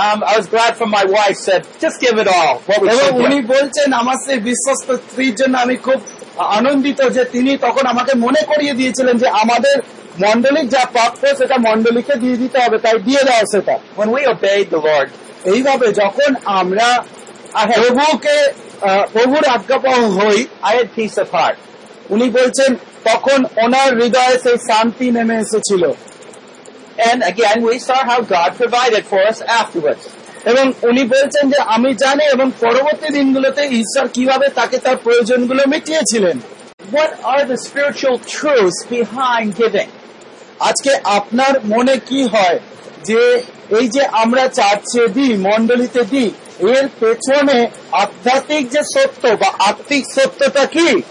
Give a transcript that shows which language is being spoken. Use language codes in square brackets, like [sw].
[en] I was glad for my wife said just give it all. [bn] উনি বলছেন আমার সেই বিশ্বস্ত স্ত্রীর জন্য আমি খুব আনন্দিত যে তিনি তখন আমাকে মনে করিয়ে দিয়েছিলেন যে আমাদের মন্ডলিক যা প্রাপ্য সেটা মন্ডলীকে দিয়ে দিতে হবে, তাই দিয়ে দাও সেটা. [en] When we obeyed the Lord, [bn] এইভাবে যখন আমরা প্রভুকে প্রভুর আজ্ঞাপন হই, [en] I had peace of heart. [bn] উনি বলছেন তখন ওনার হৃদয়ে সেই শান্তি নেমে এসেছিল. [en] And again, we saw how God provided for us afterwards. [bn] এবং উনি বলছেন যে আমি জানি এবং পরবর্তী দিনগুলোতে ঈশ্বর কিভাবে তাকে তার প্রয়োজনগুলো মিটিয়েছিলেন. [en] What are the spiritual truths behind giving? [bn] আজকে আপনার মনে কি হয় যে এই যে আমরা চার্চে দিই, মন্ডলিতে দিই, এর পেছনে আধ্যাত্মিক যে সত্য বা আত্মিক সত্যটা কি?